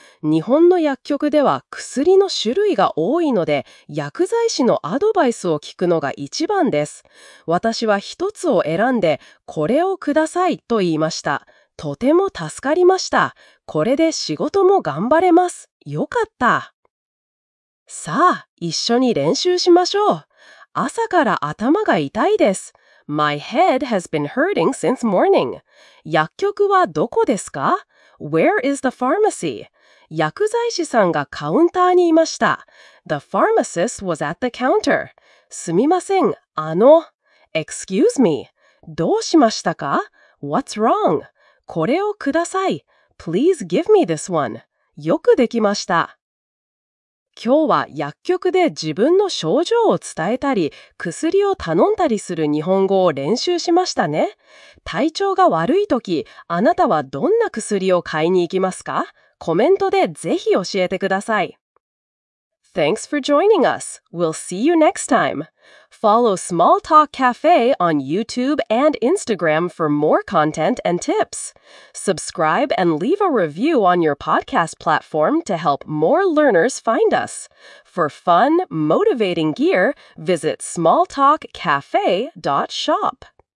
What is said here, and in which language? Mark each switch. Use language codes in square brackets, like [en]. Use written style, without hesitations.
[ja] 日本の薬局では薬の種類が多いので、薬剤師のアドバイスを聞くのが一番です。私は一つを選んで、これをくださいと言いました。とても助かりました。これで仕事も頑張れます。よかった。さあ、一緒に練習しましょう。朝から頭が痛いです。 [en] My head has been hurting since morning. [ja] 薬局はどこですか？ [en] Where is the pharmacy? [ja] 薬剤師さんがカウンターにいました。 [en] The pharmacist was at the counter. [ja] すみません、 [en] Excuse me. [ja] どうしましたか？ [en] What's wrong? [ja] これをください。 [en] Please give me this one. [ja] よくできました。今日は薬局で自分の症状を伝えたり、薬を頼んだりする日本語を練習しましたね。体調が悪いとき、あなたはどんな薬を買いに行きますか？コメントでぜひ教えてください。 [en] Thanks for joining us. We'll see you next time. Follow Small Talk Cafe on YouTube and Instagram for more content and tips. Subscribe and leave a review on your podcast platform to help more learners find us. For fun, motivating gear, visit smalltalkcafe.shop.